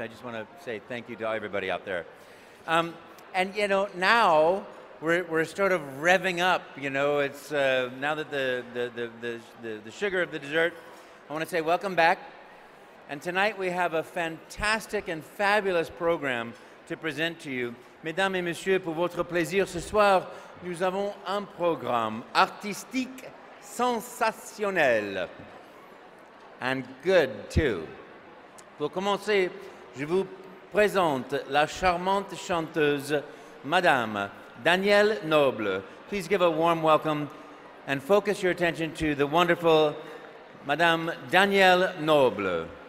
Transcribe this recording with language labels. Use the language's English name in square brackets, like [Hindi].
[English] I just want to say thank you to everybody out there. And, you know, now we're sort of revving up, you know. It's now that the sugar of the dessert, I want to say welcome back. And tonight we have a fantastic and fabulous program to present to you. [French] Mesdames et messieurs, pour votre plaisir, ce soir, nous avons un programme artistique sensationnel. [English] And good, too. [French] Pour commencer, je vous présente la charmante chanteuse, Madame Danielle Noble. [English] Please give a warm welcome and focus your attention to the wonderful Madame Danielle Noble.